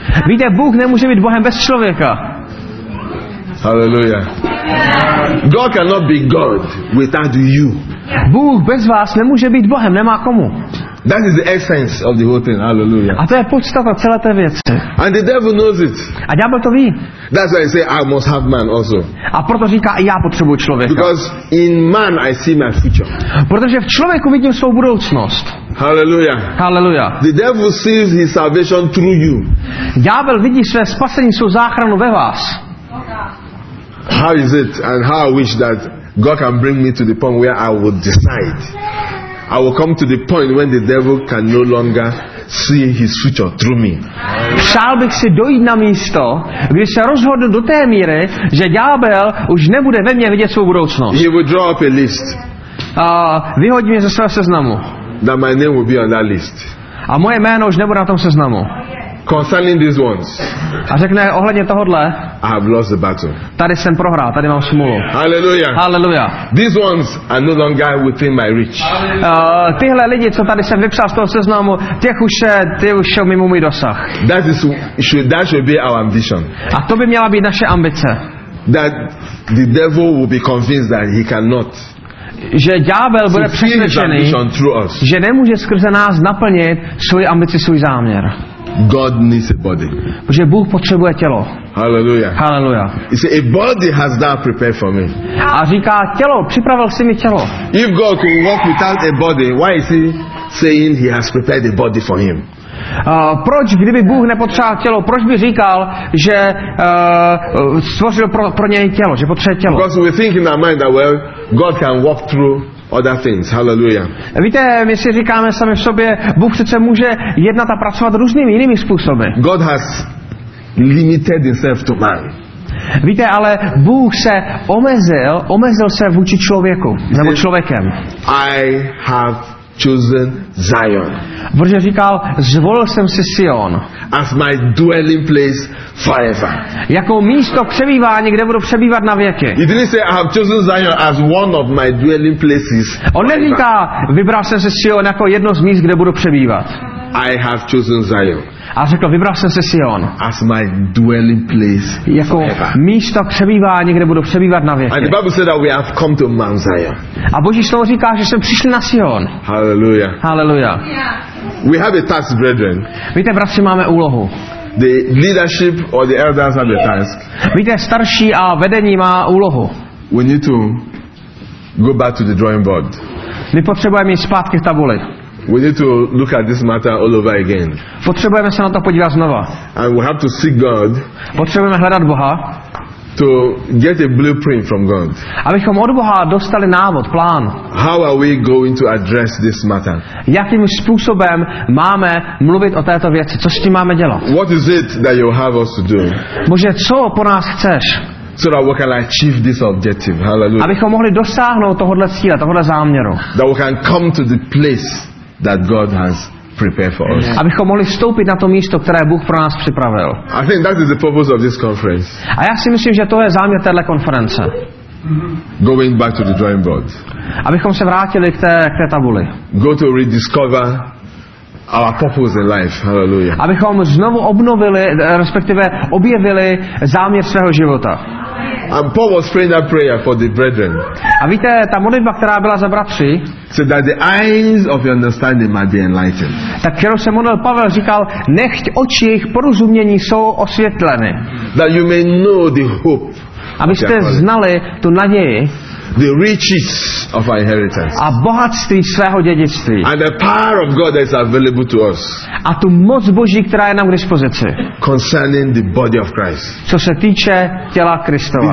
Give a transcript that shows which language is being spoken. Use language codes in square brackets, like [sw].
[cs] Víte, Bůh nemůže být Bohem bez člověka. [en] Hallelujah. God cannot be God without you. [cs] Bůh bez vás nemůže být Bohem, nemá komu. [en] That is the essence of the whole thing. Hallelujah. [cs] A to je podstata celé té věci. [en] And the devil knows it. [cs] A ďábel to ví. [en] That's why he say I must have man also. [cs] A proto říká, já potřebuji člověka. [en] Because in man I see my future. [cs] Protože v člověku vidím svou budoucnost. [en] Hallelujah. Hallelujah. The devil sees his salvation through you. [cs] Ďábel vidí své spasení, svou záchranu ve vás. [en] How is it and how I wish that God can bring me to the point where I would decide. I will come to the point when the devil can no longer see his future through me. [cs] Přál bych si dojít na místo, kdy se rozhodnu do té míry, že ďábel už nebude ve mně vidět svou budoucnost. [en] He will draw up a list. [cs] Vyhodí mě ze svého seznamu. [en] That my name will be on that list. [cs] A moje jméno už nebude na tom seznamu. [en] Concerning these ones. [cs] A řekne ohledně tohodle. [en] I have lost the battle. [cs] Tady jsem prohrál, tady mám smůlu. [en] Hallelujah. Hallelujah. These ones are no longer within my reach. [cs] Tyhle lidi, co tady jsem vypsal z toho seznamu, ty už mimo můj dosah. [en] That should be our ambition. [cs] A to by měla být naše ambice. [en] That the devil will be convinced that he cannot. [cs] Že ďábel bude přesvědčený, že nemůže skrze nás naplnit svoji ambici, svůj záměr. [en] God needs a body. [cs] Protože Bůh potřebuje tělo. [en] Hallelujah. Hallelujah. He said, a body has that prepared for me. [cs] A říká, tělo, připravil jsi mi tělo. [en] If God can walk without a body, why is he saying he has prepared a body for him? [cs] Proč, kdyby Bůh nepotřeboval tělo, proč by říkal, že stvořil pro něj tělo, že potřebuje tělo? [en] Because we think in our mind that well, God can walk through other things. Hallelujah. [cs] Víte, my si říkáme sami v sobě, Bůh přece může jednat a pracovat různými jinými způsoby. [en] God has limited himself to man. [cs] Víte, ale Bůh se omezil se vůči člověku, nebo člověkem. [en] I have chosen Zion. [cs] Protože říkal, zvolil jsem si Sion. [en] As my dwelling place forever. [cs] Jako místo přebývání, kde budu přebývat na věky. [en] He didn't say, I have chosen Zion as one of my dwelling places. [cs] On neříká, vybral jsem si Sion jako jedno z míst, kde budu přebývat. [en] I have chosen Zion. [cs] A řekl, vybral jsem si Sion. [en] As my dwelling place forever. [cs] Jako místo přebývání, kde budu přebývat na věky. [en] And the Bible said that we have come to Mount Zion. [cs] A Boží slovo říká, že jsme přišli na Sion. [en] Hallelujah. Hallelujah. We have a task, brethren. [cs] Víte, bratři, máme úlohu. [en] The leadership or the elders have a task. [cs] Víte, starší a vedení má úlohu. [en] We need to go back to the drawing board. [cs] My potřebujeme jít zpátky k tabuli. [en] We need to look at this matter all over again. [cs] Potřebujeme se na to podívat znova. [en] And we have to seek God. [cs] Potřebujeme hledat Boha. [en] To get a blueprint from God. [cs] Abychom od Boha dostali návod, plán. [en] How are we going to address this matter? [cs] Jakým způsobem máme mluvit o této věci? Co s tím máme dělat? [en] What is it that you have us to do? [cs] Bože, co po nás chceš? [en] So that we can achieve this objective. Hallelujah. [cs] Abychom mohli dosáhnout tohohle cíle, tohohle záměru. [en] That we can come to the place that God has prepared for us. [cs] Abychom mohli vstoupit na to místo, které Bůh pro nás připravil. [en] I think that is the purpose of this conference. [cs] A já si myslím, že to je záměr téhle konference. [en] Going back to the drawing board. [cs] Abychom se vrátili k té tabuli. [en] Go to rediscover our purpose in life. Hallelujah. [cs] Abychom znovu obnovili, respektive objevili záměr svého života. [en] And Paul was praying that prayer for the brethren. [cs] A víte, ta modlitba, která byla za bratři, [en] so that the eyes of your understanding might be enlightened. [cs] Tak kterou se modlil Pavel, říkal, nechť oči jejich porozumění jsou osvětleny. [en] That you may know the hope. [cs] Abyste znali tu naději. [en] The riches of our inheritance. [cs] A bohatství svého dědictví. [en] And the power of God that is available to us. [cs] A tu moc Boží, která je nám k dispozici. [en] Concerning the body of Christ. [cs] Co se týče těla Kristova.